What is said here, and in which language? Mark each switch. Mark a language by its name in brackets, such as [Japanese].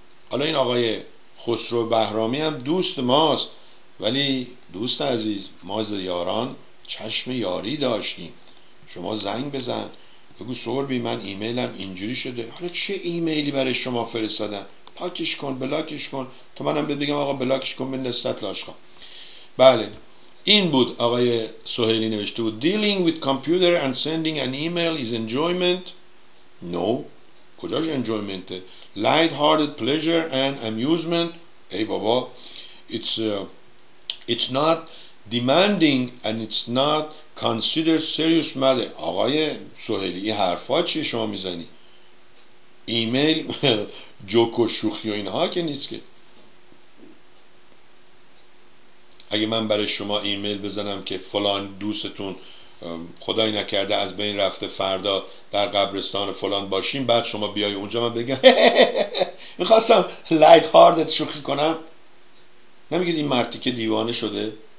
[Persian] حالا این آقای خسرو بهرامی هم دوست ماست، ولی دوست عزیز ما از یاران چشم یاری داشتیم، شما زنگ بزن بگو سربی من ایمیلم اینجوری شده. حالا چه ایمیلی برای شما فرستادم؟ پاکش کن بلاکش کن، تو منم بگم آقا بلاکش کن به نسبت لاشقا. بله این بود آقای سهیلی نوشته بود [English] dealing with computer and sending an email is enjoyment. No. [Persian] کجاش [English] enjoyment؟ light hearted pleasure and amusement. [Persian] ای بابا [English] it's not demanding and it's not considered serious matter. [Persian] آقای سهیلی این حرفا چیه شما میزنی؟ ایمیل جوک و شوخی و اینها که نیست که. اگه من برای شما ایمیل بزنم که فلان دوستتون خدای نکرده از بین رفته فردا در قبرستان فلان باشیم، بعد شما بیای اونجا من بگم میخواستم لایت هاردت شوخی کنم، نمیگید این مردی که دیوانه شده؟